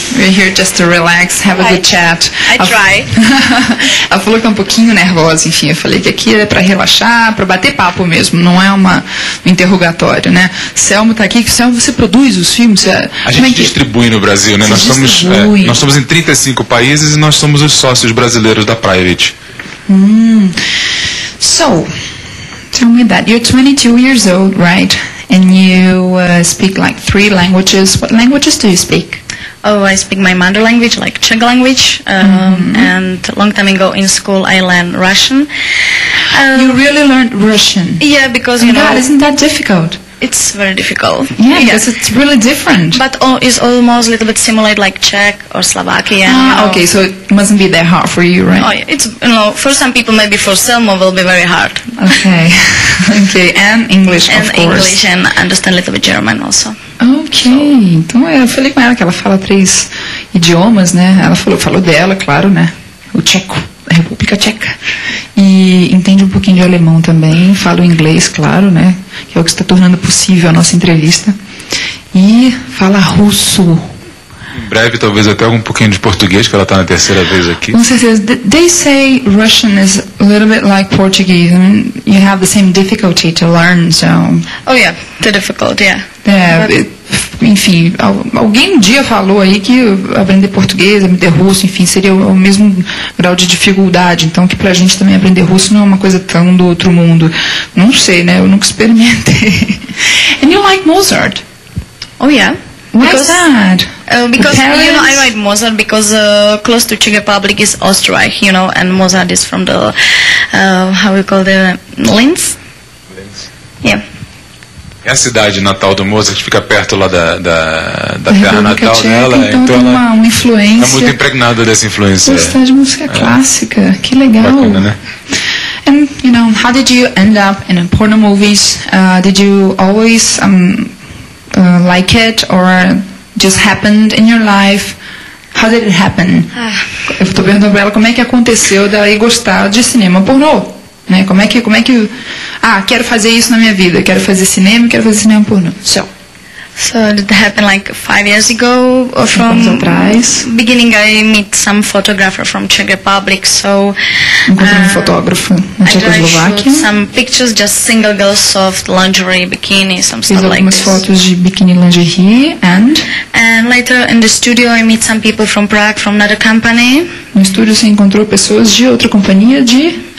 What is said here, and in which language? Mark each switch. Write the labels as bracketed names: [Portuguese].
[English] We're here just to relax, have a good chat. I try. [Portuguese] Ela falou que é um pouquinho nervosa, enfim, eu falei que aqui é para relaxar, para bater papo mesmo, não é uma interrogatório, né? Selmo tá aqui, que Selmo você produz os filmes? Você... A gente é que... distribui no Brasil, né? Nós somos em 35 países e nós somos os sócios brasileiros da Private. [English] So, tell me that. You're 22 years old, right? And you speak like 3 languages. What languages do you speak? Oh, I speak my mother language, like Czech language. And a long time ago in school, I learned Russian. You really learned Russian? Yeah, because, you know... God, isn't that difficult? It's very difficult. Yeah, because it's really different. But it's almost a little bit similar like Czech or Slovakian. Okay, so it mustn't be that hard for you, right? Oh, yeah. It's, you know, for some people, maybe for Selma will be very hard. Okay, and English, and of course. And English, and understand a little bit German also. Okay, so. [Portuguese] Então eu falei com ela que ela fala 3 idiomas, né? Ela falou dela, claro, né? O tcheco. República Tcheca. E entende um pouquinho de alemão também, fala o inglês, claro, né? Que é o que está tornando possível a nossa entrevista. E fala russo. Em breve, talvez até algum pouquinho de português, que ela está na terceira vez aqui. Com certeza. [English] They say Russian is a little bit like Portuguese. I mean, you have the same difficulty to learn, so. Oh, yeah. The difficulty, yeah. É, but... [Portuguese] Enfim, alguém um dia falou aí que aprender português, aprender russo, enfim, seria o mesmo grau de dificuldade. Então, que pra gente também aprender russo não é uma coisa tão do outro mundo. Não sei, né? Eu nunca experimentei. [English] And you like Mozart? Oh, yeah. Why is that? Because you know, I write Mozart because close to Czech Republic is Österreich, you know, and Mozart is from the, how you call the, Linz? Linz. Yeah. [Portuguese] É a cidade natal do Mozart, fica perto lá da terra natal Tcheca, dela. Então ela tem uma influência. É muito impregnada dessa influência. Gostar de música clássica, que legal. Bacana, né? [English] And, you know, how did you end up in porno movies? Did you always like it or just happened in your life? How did it happen? [Portuguese] Eu estou perguntando para ela como é que aconteceu dela ir gostar de cinema pornô. Né? Como é que quero fazer isso na minha vida, quero fazer cinema pornô. [English] So it happened like 5 years ago or from [Portuguese] atrás. [English] Beginning I meet some photographer from Czech Republic, so [Portuguese] encontrei um fotógrafo na Tchecoslováquia. [English] Some pictures, just single girls, soft lingerie, bikini, some stuff like this. [Portuguese] Fotos de bikini lingerie [English] and later in the studio I meet some people from Prague from another company. [Portuguese] No estúdio se encontrou pessoas de outra companhia de